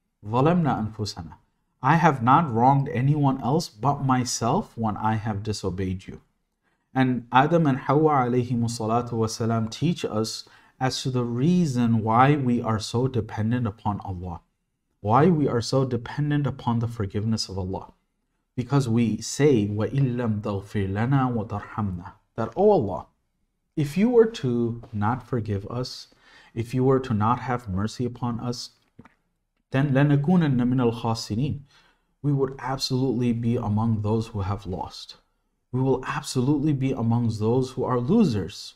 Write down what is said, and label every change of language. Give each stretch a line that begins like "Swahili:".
Arabic: ظَلَمْنَا أَنفُسَنَا.
English: I have not wronged anyone else but myself when I have disobeyed you. And Adam and Hawwa alayhimu salatu wasalam teach us as to the reason why we are so dependent upon Allah. Why we are so dependent upon the forgiveness of Allah. Because we say,
Arabic: وَإِلَّمْ تَغْفِرْ لَنَا وَتَرْحَمْنَا.
English: That, O Allah, if you were to not forgive us, if you were to not have mercy upon us, then
Arabic: لَنَكُونَنَّ مِنَ الْخَاسِرِينَ.
English: We would absolutely be among those who have lost. We will absolutely be amongst those who are losers.